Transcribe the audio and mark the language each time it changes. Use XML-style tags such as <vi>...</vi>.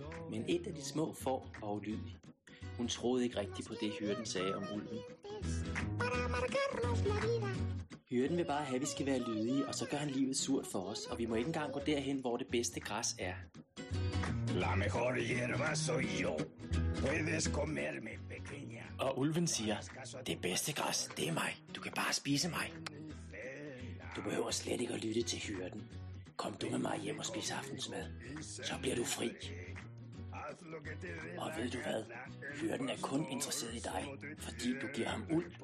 <da>Men et af de små får var ulydig. Hun troede ikke rigtigt på det, hyrden sagde om ulven. Hyrden vil bare have, at vi skal være lydige, og så gør han livet surt for os, og vi må ikke engang gå derhen, hvor det bedste græs er.</da> <es>La mejor hierba soy yo. Puedes comerme, pequeña.</es> <da>Og ulven siger, det bedste græs, det er mig. Du kan bare spise mig. Du behøver slet ikke at lytte til hyrden. Kom du med mig hjem og spis aftensmad. Så bliver du fri. Og ved du hvad? Hyrden er kun interesseret i dig, fordi du giver ham ud.</da>